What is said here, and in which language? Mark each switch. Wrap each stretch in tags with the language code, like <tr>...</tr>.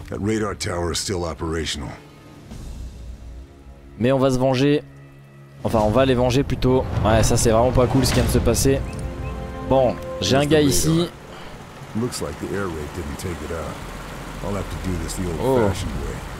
<en>That radar tower is still operational.</en> <fr>Mais on va se venger. Enfin, on va les venger plutôt. Ouais, ça c'est vraiment pas cool ce qui vient de se passer. Bon, j'ai un gars ici.</fr> <en>Looks like the air raid didn't take it out. I'll have to do this the old-fashioned way.</en>